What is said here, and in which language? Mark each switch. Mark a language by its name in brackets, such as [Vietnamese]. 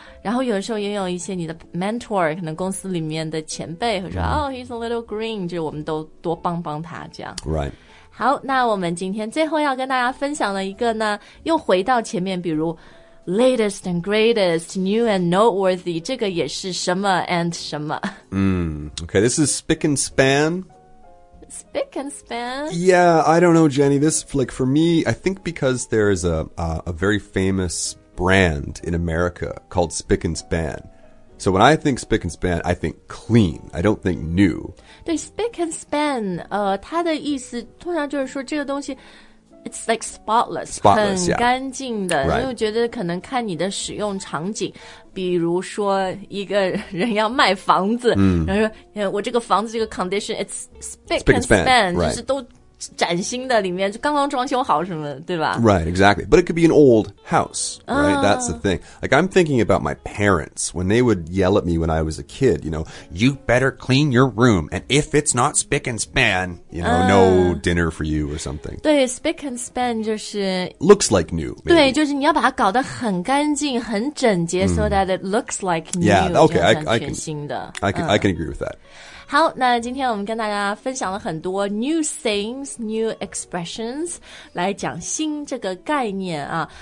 [Chinese] 然后有的时候也有一些你的 mentor, 可能公司里面的前辈会说、mm-hmm. [English] Oh, he's a little green, [Chinese] 就我们都多帮帮他这样。 [English] Right. [Chinese] 好，那我们今天最后要跟大家分享的一个呢，又回到前面，比如 [English] Latest and greatest, new and noteworthy, [Chinese] 这个也是什么 and 什么。 [English] Okay, this is spick and span. Spick and span? Yeah, I don't know, Jenny. This, like, for me, I think because there is a very famous brand in America called spick and span. So when I think spick and span, I think clean. I don't think new. [Chinese] 对, spick and span, 它的意思通常就是说这个东西 [English] It's like spotless, spotless [Chinese] 很干净的、 [English] yeah. right. [Chinese] 因为我觉得可能看你的使用场景比如说一个人要卖房子、然后说我这个房子这个 condition [English] It's spick and span, span、right. [Chinese] 就是都崭新的里面就刚刚装修好什么对吧 [English] Right, exactly But it could be an old house right? That's the thing Like I'm thinking about my parents When they would yell at me when I was a kid You know, you better clean your room And if it's not spick and span You know,、no dinner for you or something [Chinese] 对 spick and span 就是 [English] Looks like new、maybe. [Chinese] 对就是你要把它搞得很干净很整洁、 [English] So that it looks like new Yeah, okay, I can, [Chinese] 全新的 [English] I can agree with that [Chinese] 好，那今天我们跟大家分享了很多 [English] new things, new expressions, [Chinese] 来讲新这个概念啊。